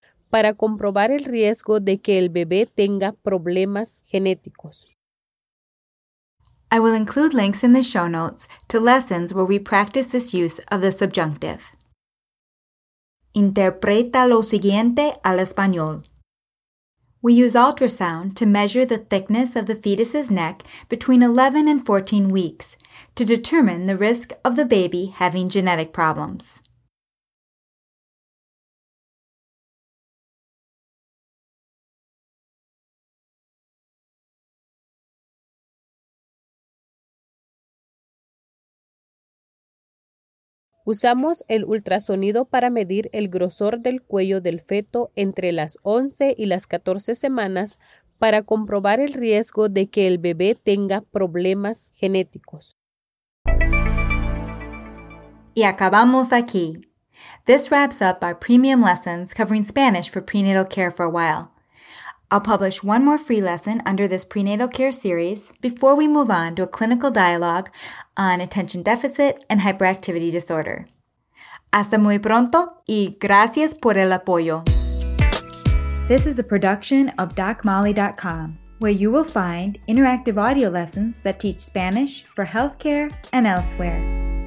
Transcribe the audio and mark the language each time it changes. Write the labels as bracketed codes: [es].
[es] Para comprobar el riesgo de que el bebé tenga problemas genéticos. [en] I will include links in the show notes to lessons where we practice this use of the subjunctive. [es] Interpreta lo siguiente al español. [en] We use ultrasound to measure the thickness of the fetus's neck between 11 and 14 weeks to determine the risk of the baby having genetic problems. [es] Usamos el ultrasonido para medir el grosor del cuello del feto entre las 11 y las 14 semanas para comprobar el riesgo de que el bebé tenga problemas genéticos. Y acabamos aquí. [en] This wraps up our premium lessons covering Spanish for prenatal care for a while. I'll publish one more free lesson under this prenatal care series before we move on to a clinical dialogue on attention deficit and hyperactivity disorder. [es] Hasta muy pronto y gracias por el apoyo. [en] This is a production of DocMolly.com, where you will find interactive audio lessons that teach Spanish for healthcare and elsewhere.